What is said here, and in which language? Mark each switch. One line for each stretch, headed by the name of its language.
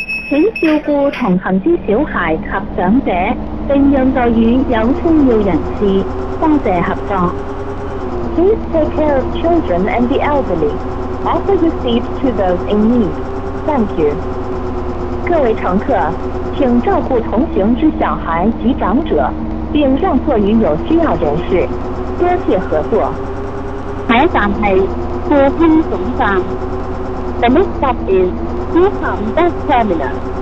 Chinese: 请照顾同行之小孩及长者，并让座与有需要人士，多谢合作。
English: Please take care of children and the elderly. Offer your seat to those in need. Thank you.
Chinese: 各位乘客，请照顾同行之小孩及长者，并让座与有需要人士，多谢合作。下一站是富坚总站。
English: The next stop is.
Chinese: 机场
English: bus terminal，